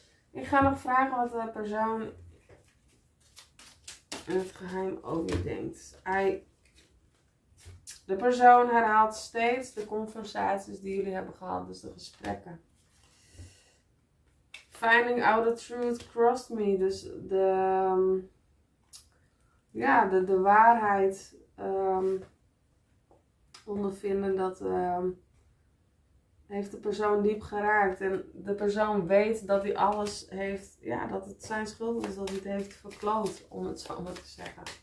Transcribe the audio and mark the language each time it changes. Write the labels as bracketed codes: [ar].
[nl] Ik ga nog vragen wat de persoon in het geheim over je denkt. De persoon herhaalt steeds de conversaties die jullie hebben gehad, dus de gesprekken. [en] Finding out the truth crossed me. [nl] Dus de waarheid ondervinden, dat heeft de persoon diep geraakt. En de persoon weet dat hij alles heeft, ja, dat het zijn schuld is dat hij het heeft verkloot, om het zo maar te zeggen.